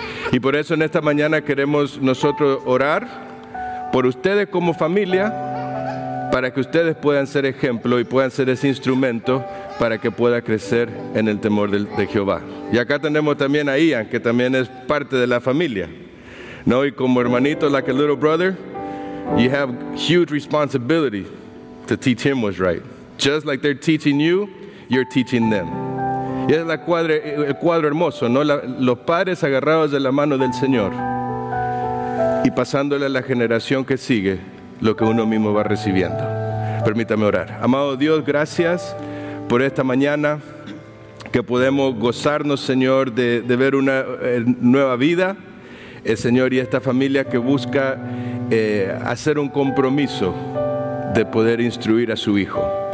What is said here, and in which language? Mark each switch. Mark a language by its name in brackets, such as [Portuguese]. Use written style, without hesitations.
[Spanish] Y por eso en esta mañana queremos nosotros orar por ustedes como familia, para que ustedes puedan ser ejemplo y puedan ser ese instrumento para que pueda crecer en el temor de Jehová. Y acá tenemos también a Ian, que también es parte de la familia, ¿no? Y como hermanito, [English] like a little brother, you have huge responsibility to teach him what's right. Just like they're teaching you, you're teaching them. [Spanish] Y es el cuadro hermoso, ¿no? Los padres agarrados de la mano del Señor y pasándole a la generación que sigue lo que uno mismo va recibiendo. Permítame orar. Amado Dios, gracias por esta mañana que podemos gozarnos, Señor, de ver una nueva vida, Señor, y esta familia que busca hacer un compromiso de poder instruir a su hijo.